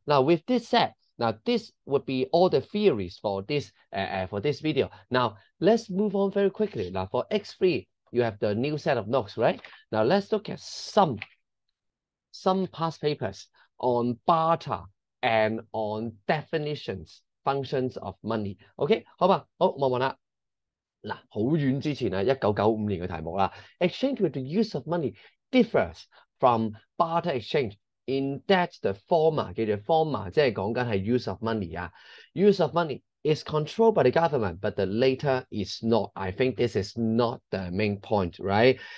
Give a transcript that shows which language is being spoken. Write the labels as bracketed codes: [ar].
[en] Now with this said, now this would be all the theories for this video. Now let's move on very quickly. Now for X3, you have the new set of notes, right? Now let's look at some past papers. On barter and on definitions, functions of money. [yue] OK, 好吧，好，望望啦。嗱，好遠之前啊，1995年嘅題目啦。 [en] Exchange with the use of money differs from barter exchange in that the former, [yue] 記住 [en] former, [yue] 即係講緊係 [en] use of money 啊。 Use of money is controlled by the government, but the latter is not. I think this is not the main point, right?